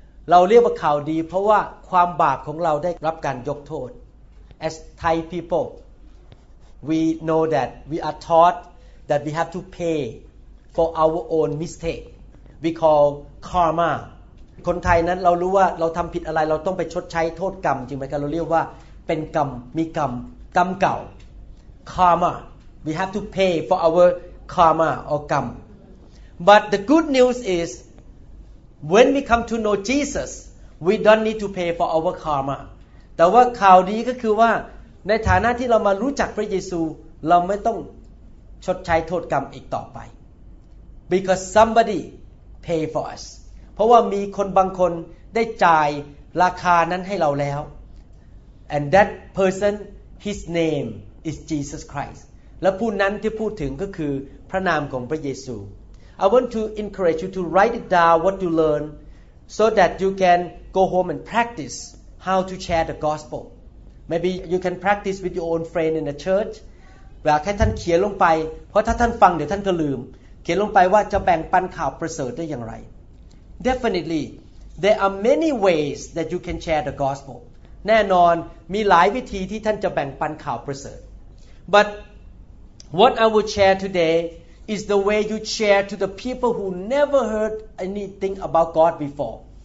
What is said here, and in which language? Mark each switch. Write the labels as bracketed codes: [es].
[th] เราเรียกว่าข่าวดีเพราะว่าความบาปของเราได้รับการยกโทษ [en] As Thai people, we know that we are taught that we have to pay for our own mistake. We call karma. [th] คนไทยนั้นเรารู้ว่าเราทำผิดอะไรเราต้องไปชดใช้โทษกรรมจริงไหมครับเราเรียกว่าเป็นกรรมมีกรรมกรรมเก่า Karma. [en] We have to pay for our karma or กรรมBut the good news is, when we come to know Jesus, we don't need to pay for our karma. [th] แต่ว่าข่าวดีก็คือว่าในฐานะที่เรามารู้จักพระเยซูเราไม่ต้องชดใช้โทษกรรมอีกต่อไป [en] Because somebody paid for us. [th] เพราะว่ามีคนบางคนได้จ่ายราคานั้นให้เราแล้ว [en] And that person, his name is Jesus Christ. [th] และผู้นั้นที่พูดถึงก็คือพระนามของพระเยซู [en] I want to encourage you to write it down what you learn so that you can go home and practice how to share the gospel. Maybe you can practice with your own friend in the church. [th] อยากให้ท่านเขียนลงไปเพราะถ้าท่านฟังเดี๋ยวท่านก็ลืมเขียนลงไปว่าจะแบ่งปันข่าวประเสริฐได้อย่างไร [en] Definitely, there are many ways that you can share the gospel. [th] แน่นอนมีหลายวิธีที่ท่านจะแบ่งปันข่าวประเสริฐ [en] But what I will share todayIs the way you share to the people who never heard anything about God before.